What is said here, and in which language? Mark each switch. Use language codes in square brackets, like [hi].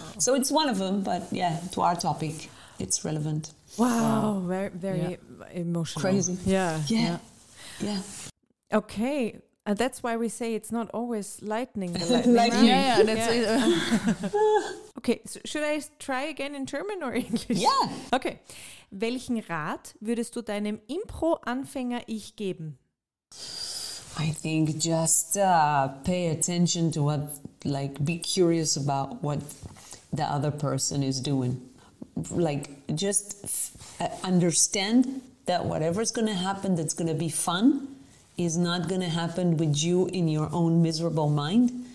[en] So it's one of them, but yeah, to our topic, it's relevant. Wow. Very emotional. Crazy. Yeah. Okay. And that's why we say it's not always lightning. Right? Yeah, that's it. Okay, so should I try again in German or English? Yeah. Okay. [de] Welchen Rat würdest du deinem Impro-Anfänger ich geben? [en] I think just pay attention to what, like, be curious about what the other person is doing. Like, just understand that whatever's going to happen that's going to be fun is not going to happen with you in your own miserable mind.